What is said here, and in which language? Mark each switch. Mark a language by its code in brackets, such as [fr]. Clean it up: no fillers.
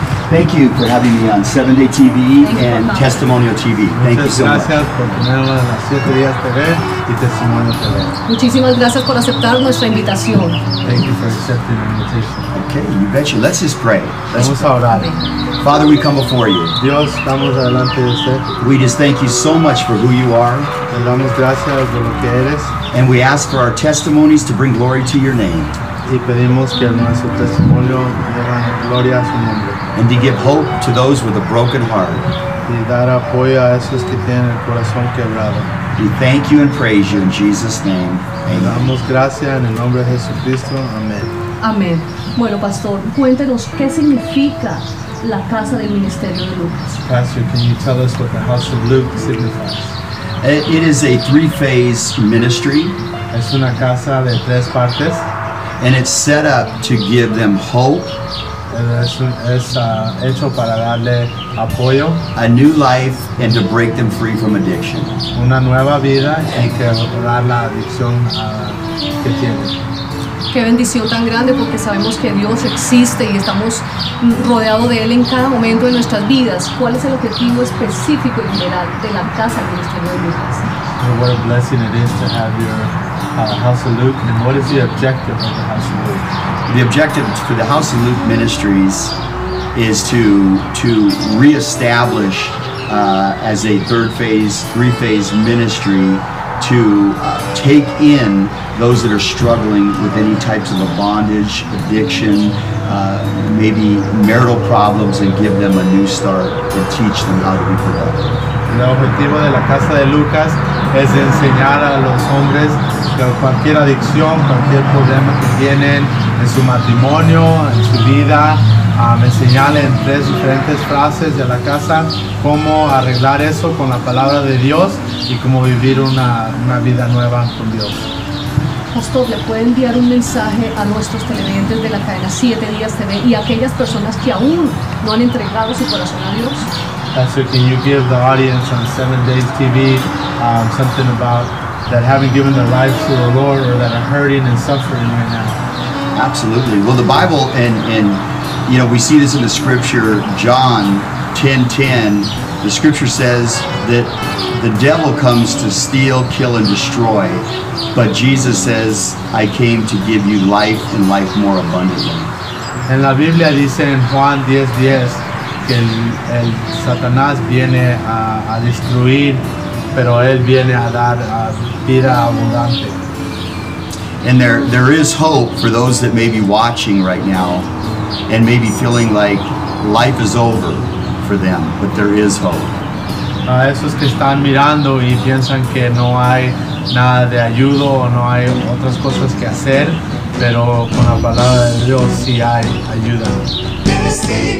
[en] Thank you for having me on 7-Day TV and Testimonial TV. Thank you so much. [es] Muchas gracias por tenerme en las 7 días TV y Testimonio TV. Muchísimas gracias por aceptar nuestra invitación. [en] Thank you for accepting the invitation. Okay, you betcha. Let's just pray. [es] Vamos a orar. [en] Father, we come before you. [es] Dios, estamos adelante de usted. [en] We just thank you so much for who you are. [es] Te damos gracias por lo que eres. [en] And we ask for our testimonies to bring glory to your name. [es] Y pedimos que nuestro testimonio lleve gloria a su nombre. [en] And to give hope to those with a broken heart. [es] Y dar apoyo a esos que tienen el corazón quebrado. [en] We thank you and praise you in Jesus' name. Amen. [es] Damos gracias en el nombre de Jesucristo. Amén. Amén. Bueno, pastor, cuéntenos qué significa la casa del ministerio de Lucas. [en] Pastor, can you tell us what the house of Luke signifies? It is a three-phase ministry. [es] Es una casa de tres partes. [en] And it's set up to give them hope. [es] Es hecho para darle apoyo, [en] a new life, and to break them free from addiction. [es] Una nueva vida y quebrar la adicción que tienen. Qué bendición tan grande, porque sabemos que Dios existe y estamos rodeados de Él en cada momento de nuestras vidas. ¿Cuál es el objetivo específico y general de la casa que nos tiene en Lucas? [en] What a blessing it is to have your House of Luke. And what is the objective of the House of Luke? The objective for the House of Luke Ministries is to reestablish as a third phase, three phase ministry to take in those that are struggling with any types of a bondage, addiction, maybe marital problems, and give them a new start and teach them how to be productive. [es] El objetivo de la Casa de Lucas es enseñar a los hombres que cualquier adicción, cualquier problema que tienen en su matrimonio, en su vida, enseñarle en tres diferentes frases de la casa cómo arreglar eso con la palabra de Dios y cómo vivir una vida nueva con Dios. Pastor, ¿le puede enviar un mensaje a nuestros televidentes de la cadena 7 Días TV y a aquellas personas que aún no han entregado su corazón a Dios? [en] Pastor, can you give the audience on 7 Days TV something about that haven't given their lives to the Lord or that are hurting and suffering right now? Absolutely. Well, the Bible, and you know, we see this in the scripture, John 10:10, the scripture says that the devil comes to steal, kill, and destroy, but Jesus says, I came to give you life and life more abundantly. [es] En la Biblia dice en Juan 10:10 que el Satanás viene a destruir, pero él viene a dar a vida abundante. [en] And there is hope for those that may be watching right now and maybe feeling like life is over for them, but there is hope. [es] A esos que están mirando y piensan que no hay nada de ayuda o no hay otras cosas que hacer, pero con la palabra de Dios sí hay ayuda.